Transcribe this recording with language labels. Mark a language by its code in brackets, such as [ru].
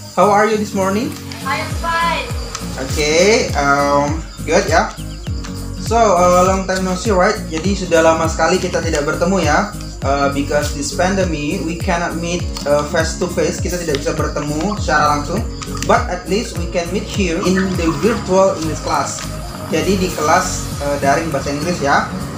[en] How are you this morning? I am fine. Okay, good ya. So, long time no see, right? [id] Jadi sudah lama sekali kita tidak bertemu ya. [en] Because this pandemic, we cannot meet face to face. [id] Kita tidak bisa bertemu secara langsung. [en] But at least we can meet here in the virtual English class. [id] Jadi di kelas daring bahasa Inggris ya.